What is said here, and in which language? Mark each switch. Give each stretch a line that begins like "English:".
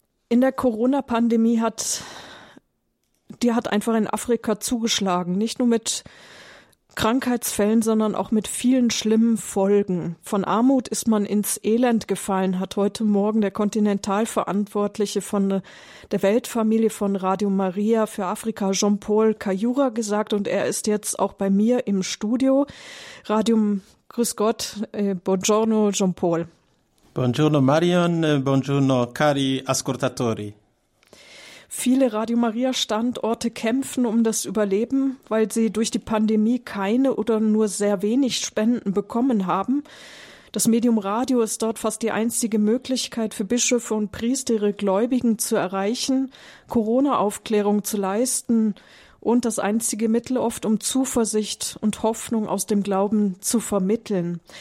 German: In der Corona-Pandemie hat einfach in Afrika zugeschlagen, nicht nur mit Krankheitsfällen, sondern auch mit vielen schlimmen Folgen. Von Armut ist man ins Elend gefallen, hat heute Morgen der Kontinentalverantwortliche von der Weltfamilie von Radio Maria für Afrika, Jean-Paul Kayura, gesagt und er ist jetzt auch bei mir im Studio. Radio, grüß Gott, buongiorno Jean-Paul.
Italian: Buongiorno Marion, buongiorno cari ascoltatori.
German: Viele Radio Maria Standorte kämpfen um das Überleben, weil sie durch die Pandemie keine oder nur sehr wenig Spenden bekommen haben. Das Medium Radio ist dort fast die einzige Möglichkeit für Bischöfe und Priester, ihre Gläubigen zu erreichen, Corona-Aufklärung zu leisten und das einzige Mittel oft, um Zuversicht und Hoffnung aus dem Glauben zu vermitteln.